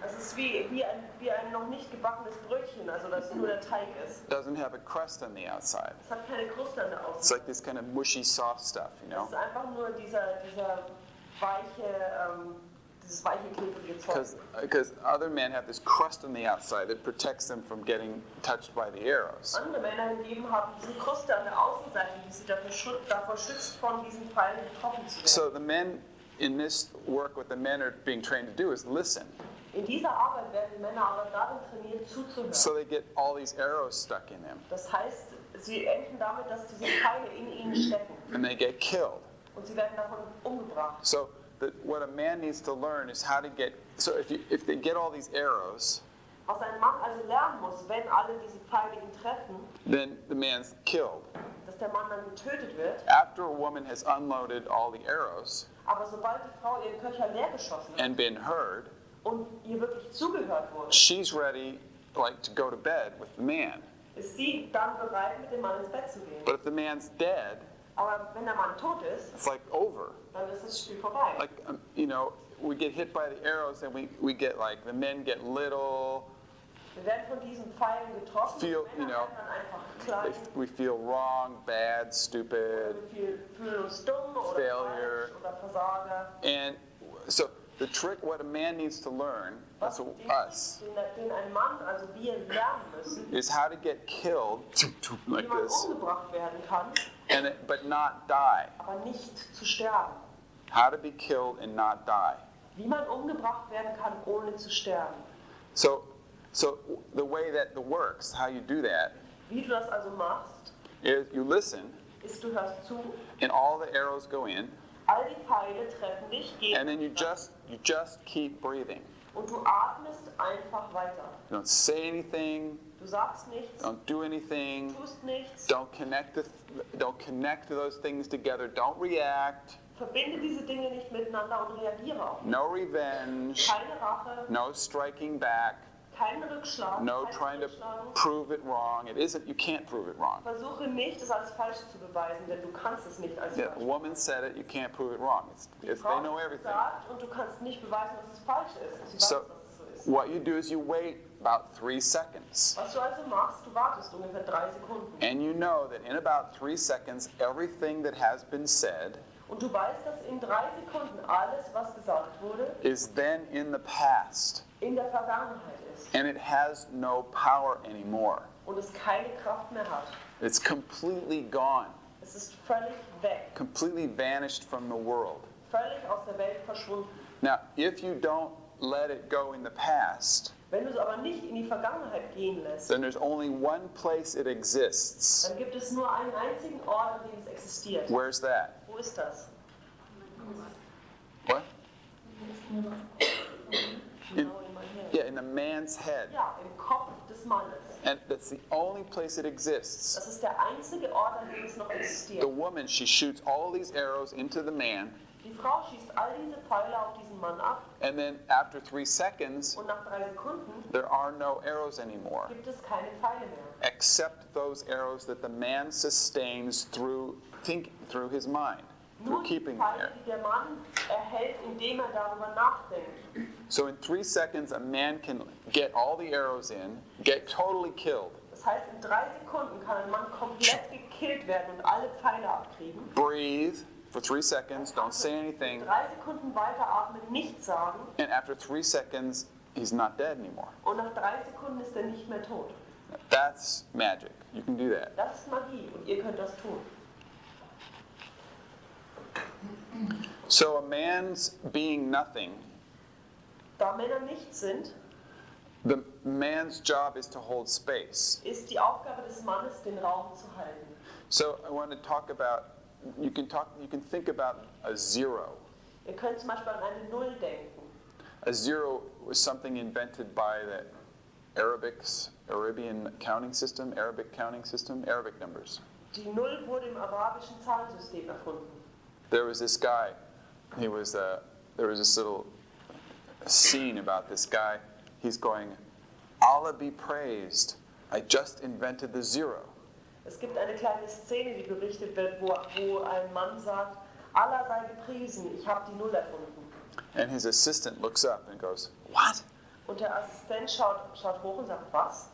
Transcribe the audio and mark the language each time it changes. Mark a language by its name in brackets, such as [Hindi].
[German] Das ist wie ein noch nicht gebackenes Brötchen, also das nur der Teig ist. [English] Doesn't have a crust on the outside. [German] Es hat keine Kruste an der Außenseite. [English] It's like this kind of mushy, soft stuff, you know. [German] Es ist einfach nur dieses weiche klebrige Zeug. [English] Because other men have this crust on the outside that protects them from getting touched by the arrows. [German] Andere Männer hingegen haben diese Kruste an der Außenseite, die sie davor schützt, von diesen Pfeilen getroffen zu werden. [English] So the men in this work, what the men are being trained to do is listen. [German] In dieser Arbeit werden die Männer aber darin trainiert, zuzuhören. [English] So they get all these arrows stuck in them. [German] Das heißt, sie enden damit, dass diese Pfeile in ihnen stecken. [English] And they get killed. [German] Und sie werden davon umgebracht. [English] So what a man needs to learn is how to get. So if they get all these arrows. [German] Was ein Mann also lernen muss, wenn alle diese Pfeile ihn treffen. [English] Then the man's killed. [German] Dass der Mann dann getötet wird. [English] After a woman has unloaded all the arrows. [German] Aber sobald die Frau ihren Köcher leer geschossen hat [English] and been heard, [German] und ihr wirklich zugehört wurde, [English] she's ready, like, to go to bed with the man. [German] Ist sie dann bereit, mit dem Mann ins Bett zu gehen? [English] But if the man's dead, [German] aber wenn der Mann tot ist, [English] it's like over. [German] Dann ist das Spiel vorbei. [English] Like, you know, we get hit by the arrows and we get like the men get little. [German] Wir werden von diesen Pfeilen getroffen. [English] Feel, [German] die Männer werden dann einfach klein. [English] We feel wrong, bad, stupid. [German] Wir fühlen uns dumm oder falsch oder Versager. [English] And so the trick, what a man needs to learn, that's us. [German] Den ein Mann, also wir lernen müssen, [English] is how to get killed like this. [German] Wie man umgebracht werden kann. [English] And it, but not die. [German] Aber nicht zu sterben. [English] How to be killed and not die. [German] Wie man umgebracht werden kann, ohne zu sterben. [English] So the way that the works, how you do that, [German] wie du das also machst, [English] is you listen, [German] ist du hörst zu, [English] and all the arrows go in, [German] all die Pfeile treffen dich, gegen [English] and then you just keep breathing. [German] Und du atmest einfach weiter. [English] You don't say anything. [German] Du sagst nichts. [English] Don't do anything. [German] Tust nichts. [English] Don't connect those things together. Don't react. [German] Verbinde diese Dinge nicht miteinander und reagiere auch. [English] No revenge. [German] Keine Rache. [English] No striking back. [German] Keinen Rückschlag, [English] no trying to prove it wrong. It isn't, you can't prove it wrong. [German] Versuche nicht, es als falsch zu beweisen, denn du kannst es nicht als falsch. [English] The woman said it, you can't prove it wrong. It's, they know everything. [German] Sagt, und du kannst nicht beweisen, dass es falsch ist. Sie weiß, so, dass es so ist. [English] What you do is you wait about 3 seconds. [German] Was du also machst, du wartest ungefähr 3 Sekunden. [English] And you know that in about 3 seconds, everything that has been said, [German] und du weißt, dass in 3 Sekunden alles, was gesagt wurde, [English] is then in the past. [German] In der Vergangenheit. [English] And it has no power anymore. [German] Und es keine Kraft mehr hat. [English] It's completely gone. [German] Es ist völlig weg. [English] Completely vanished from the world. [German] Völlig aus der Welt verschwunden. [English] Now, if you don't let it go in the past, [German] wenn du es aber nicht in die Vergangenheit gehen lässt, [English] then there's only one place it exists. [German] Dann gibt es nur einen einzigen Ort, an dem es existiert. [English] Where's that? [German] Wo ist das? [English] What? In the man's head. [German] Ja, im Kopf des Mannes. [English] And that's the only place it exists. [German] Das ist der einzige Ort, an dem es noch existiert. [English] The woman, she shoots all these arrows into the man. [German] Die Frau schießt all diese Pfeile auf diesen Mann ab. [English] And then after 3 seconds, [German] und nach 3 Sekunden, [English] there are no arrows anymore. [German] Gibt es keine Pfeile mehr. [English] Except those arrows that the man sustains through his mind. [German] Nur [English] keeping [German] Pfeile, [English] there. [German] Die der Mann erhält, indem er darüber nachdenkt. [English] So in 3 seconds, a man can get all the arrows in, get totally killed. [German] Das heißt, in 3 Sekunden kann ein Mann komplett gekillt werden und alle Pfeile abkriegen. [English] Breathe for 3 seconds, don't say anything. [German] 3 Sekunden weiter atmen, nichts sagen. [English] And after 3 seconds, he's not dead anymore. [German] Und nach 3 Sekunden ist er nicht mehr tot. [English] That's magic. You can do that. [German] Das ist Magie und ihr könnt das tun. [English] So a man's being nothing. [German] Da Männer nichts sind. [English] The man's job is to hold space. [German] Ist die Aufgabe des Mannes, den Raum zu halten. [English] So I want to talk about, you can think about a zero. [German] Ihr könnt zum Beispiel an eine Null denken. [English] A zero was something invented by the Arabic numbers. [German] Die Null wurde im arabischen Zahlensystem erfunden. [English] There was this guy, there was this little scene about this guy. He's going, Allah be praised, I just invented the zero. [German] Es gibt eine kleine Szene, die berichtet wird, wo ein Mann sagt, Allah sei gepriesen, ich habe die Null erfunden. [English] And his assistant looks up and goes, what? [German] Und der Assistent schaut hoch und sagt, was?